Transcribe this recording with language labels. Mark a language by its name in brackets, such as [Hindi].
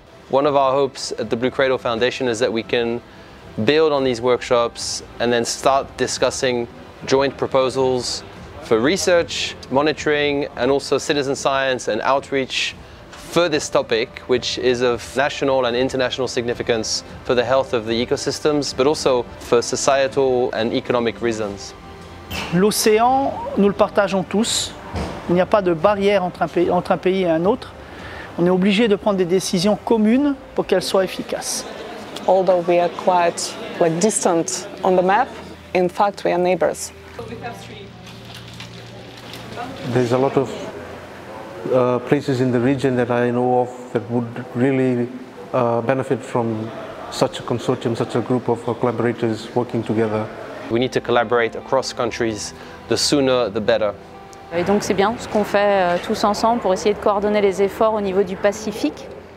[English] One of our hopes at the Blue Cradle Foundation is that we can build on these workshops and then start discussing joint proposals for research, monitoring, and also citizen science and outreach for this topic, which is of national and international significance for the health of the ecosystems, but also for societal and economic reasons. [French] L'océan, nous le partageons tous. Il n'y a pas de barrière entre un pays et un autre. On est obligé de prendre des décisions communes pour qu'elles soient efficaces. [English] Although we are quite like distant on the map, in fact we are neighbors. There's a lot of places in the region that I know of that would really benefit from such a consortium, such a group of collaborators working together. We need to collaborate across countries. The sooner, the better. [French] Et donc c'est bien ce qu'on fait tous ensemble pour essayer de coordonner les efforts au niveau du Pacifique.